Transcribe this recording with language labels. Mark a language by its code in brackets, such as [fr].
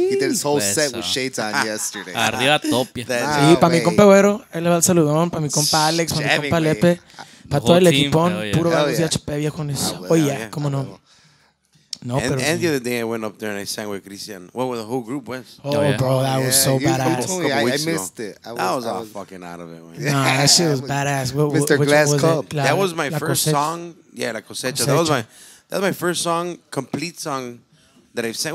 [en] He did his whole set with shades on yesterday. [es] Arriba topia. Sí, para mi compa Güero, él le va el saludón. Para mi compa Alex, para mi compa Lepe. Para todo el equipón, puro Vagos de HP, viejones. Oye, cómo no. No, [en] and the end of the day, I went up there and I sang with Crystian. Well, with the whole group was. Oh, yeah. Bro, that was so badass. I missed it. I was fucking out of it. Nah, that shit was badass. Mr. Glass was Cup. That was my first song. Yeah, La Cosecha. That was my first song, complete song that I sang.